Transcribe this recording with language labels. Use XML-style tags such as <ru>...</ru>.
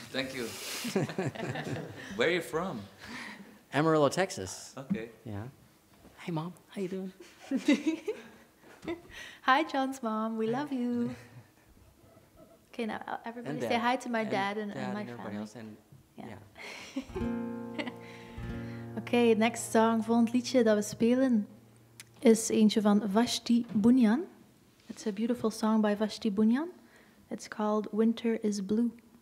<en>Thank you. Where are you from? Amarillo, Texas. Okay. Yeah. Hey, Mom. How you doing? Hi, John's mom. We love you. Okay, now everybody say hi to my dad and my family.</en> <nl>Oké,</nl> <en>okay, next song,</en> <nl>volgend liedje dat we spelen, is eentje van Vashti Bunyan.</nl> <en>It's a beautiful song by Vashti Bunyan. It's called Winter is Blue.</en>